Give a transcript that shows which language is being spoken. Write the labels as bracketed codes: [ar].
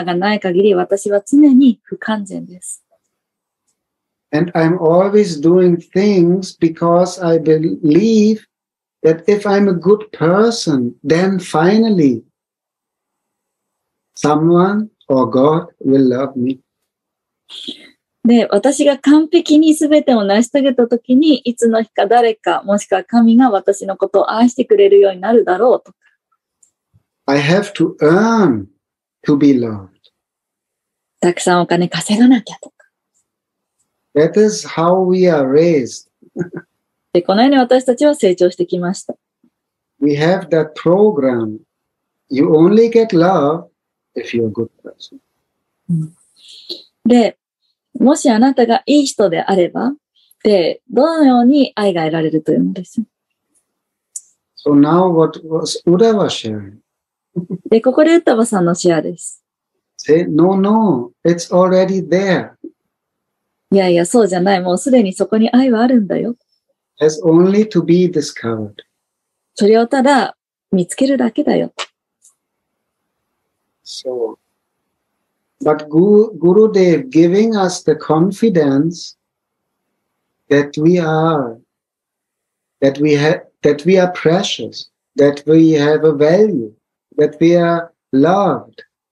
[ja] スピリチュアルな自我がない限り、私は常に不完全です。 [en] And I'm always doing things because I believe that if I'm a good person, then finally someone or God will love me. [ja] で、 私が完璧に全てを成し遂げた時に、いつの日か誰か、もしくは神が私のことを愛してくれるようになるだろうとか。 [en] I have to earn to be loved. [ja] たくさんお金稼がなきゃとか。 [en] That is how we are raised. [ja] で、 このように私たちは成長してきました。 [en] We have that program. You only get love if you're a good person. [ja] で、 もしあなたがいい人であれば、で、どのように愛が得られるというのでしょう? [en] So now what was Uddhava sharing? [ja] で、ここでUddhavaさんのシェアです。 [en] Say, no, no, it's already there. [ja] いやいや、そうじゃない。もうすでにそこに愛はあるんだよ。 [en] It's only to be discovered. [ja] それをただ見つけるだけだよ。 [en] So... But Gurudev giving us the confidence that we are, that we are precious, that we have a value, that we are loved.